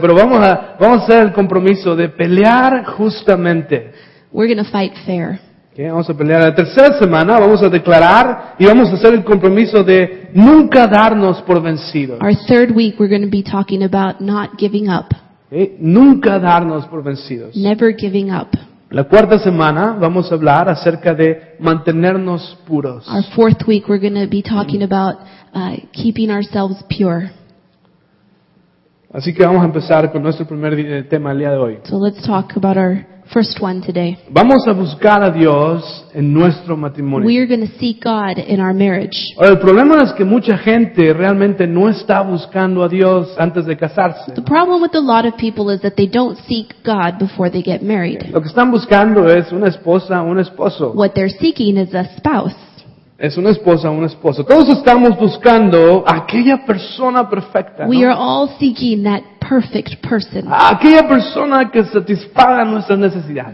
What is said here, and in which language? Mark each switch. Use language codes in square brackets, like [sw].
[es] Pero vamos a hacer el compromiso de pelear justamente. [en] We're going to fight fair. [es] Okay. Vamos a pelear. La tercera semana vamos a declarar y vamos a hacer el compromiso de nunca darnos por vencidos. [en] Our third week we're going to be talking about not giving up. [es] Nunca darnos por vencidos. [en] Never giving up. [es] La cuarta semana vamos a hablar acerca de mantenernos puros. [en] Our fourth week we're going to be talking about keeping ourselves pure. [es] Así que vamos a empezar con nuestro primer tema el día de hoy. [en] So let's talk about our first one today. [es] Vamos a buscar a Dios en nuestro matrimonio. [en] We are going to seek God in our marriage. [es] El problema es que mucha gente realmente no está buscando a Dios antes de casarse. [en] The problem with a lot of people is that they don't seek God before they get married. [es] Lo que están buscando es una esposa o un esposo. [en] What they're seeking is a spouse. [es] Es una esposa, un esposo. Todos estamos buscando aquella persona perfecta, ¿no? [en] We are all seeking that perfect person. [es] Aquella persona que satisfaga nuestras necesidades.